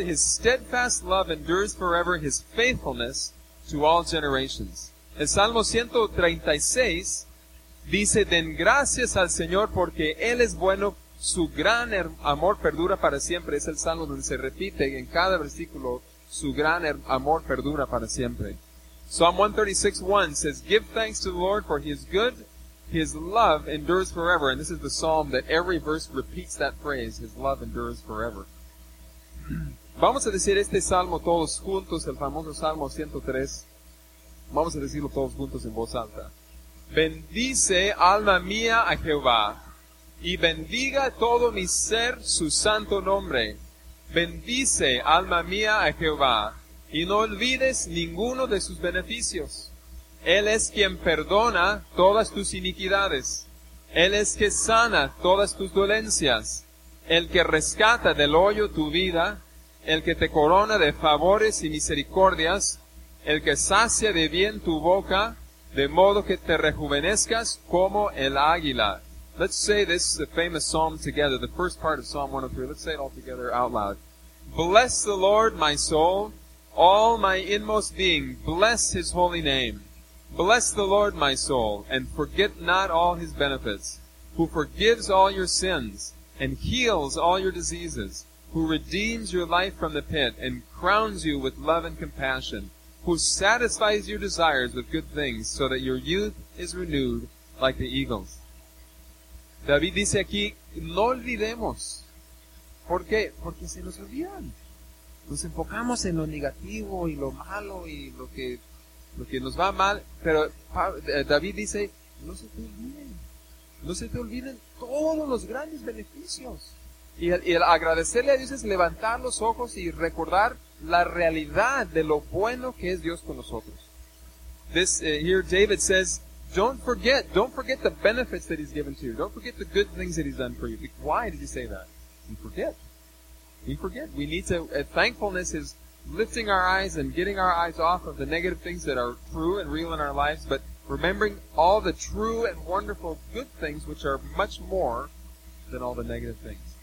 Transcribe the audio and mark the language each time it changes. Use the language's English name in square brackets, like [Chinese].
[English] His steadfast love endures forever. His faithfulness to all generations. [Spanish] El Salmo 136 dice, den gracias al Señor porque Él es bueno. Su gran amor perdura para siempre. Es el Salmo donde se repite en cada versículo, su gran amor perdura para siempre. [English] Psalm 136:1 says, give thanks to the Lord for His good. His love endures forever. And this is the psalm that every verse repeats that phrase, His love endures forever. [Spanish] Vamos a decir este Salmo todos juntos, el famoso Salmo 103. Vamos a decirlo todos juntos en voz alta. Bendice, alma mía, a Jehová, y bendiga todo mi ser su santo nombre. Bendice, alma mía, a Jehová, y no olvides ninguno de sus beneficios. Él es quien perdona todas tus iniquidades. Él es que sana todas tus dolencias. El que rescata del hoyo tu vida. El que te corona de favores y misericordias. El que sacia de bien tu boca, de modo que te rejuvenezcas como el águila. [English] Let's say this famous psalm together, the first part of Psalm 103. Let's say it all together out loud. Bless the Lord, my soul, all my inmost being. Bless His holy name. Bless the Lord, my soul, and forget not all His benefits, who forgives all your sins and heals all your diseases, who redeems your life from the pit and crowns you with love and compassion, who satisfies your desires with good things so that your youth is renewed like the eagles. [Spanish] David dice aquí, no olvidemos. ¿Por qué? Porque se nos olvidan. Nos enfocamos en lo negativo y lo malo y lo que nos va mal. Pero David dice, no se te olviden. No se te olviden todos los grandes beneficios. Y el agradecerle a Dios es levantar los ojos y recordar la realidad de lo bueno que es Dios con nosotros. [English] Here David says, don't forget the benefits that he's given to you. Don't forget the good things that he's done for you. Why did he say that? We forget. We need to, thankfulness is lifting our eyes and getting our eyes off of the negative things that are true and real in our lives, but remembering all the true and wonderful good things, which are much more than all the negative things.